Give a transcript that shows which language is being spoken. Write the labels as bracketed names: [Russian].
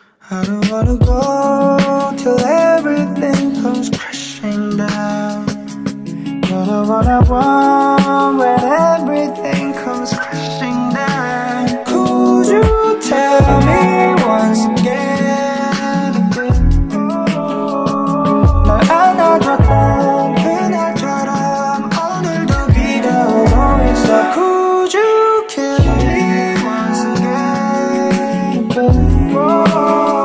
[English] I don't wanna go till everything comes crashing down. You're the one I want when everything comes crashing down. Could you tell me once again? No, I'm not drunk. [Korean] 그날처럼 오늘도 비가 오고 있어. [English] Could you kill me once again?